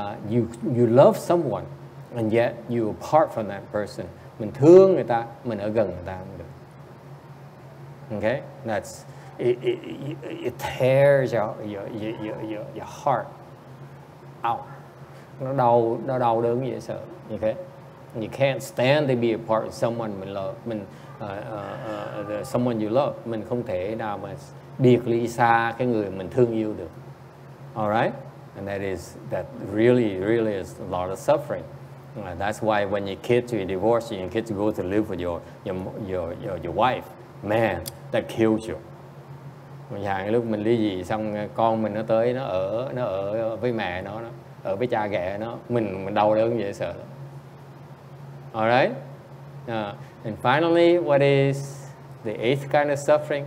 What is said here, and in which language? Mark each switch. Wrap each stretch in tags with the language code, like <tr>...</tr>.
<en>You love someone and yet you apart from that person.</en> <vi>mình thương người ta, mình ở gần người ta cũng được.</vi> <en>Okay, that's it tears your heart out.</en> <vi>Nó đau đớn dễ sợ.</vi> <en>Okay, you can't stand to be apart with someone mình love, someone you love.</en> <vi>Mình không thể nào mà biệt ly xa cái người mình thương yêu được.</vi> <en>All right, and that really is a lot of suffering. That's why when your kids are divorced, your kids go to live with your wife. Man, that kills you.</en> <vi>Mình hàng lúc mình ly dị xong con mình nó tới nó ở với mẹ nó, ở với cha ghẻ nó, mình đau đớn dễ sợ.</vi> <en>All right. And finally, what is the eighth kind of suffering?</en>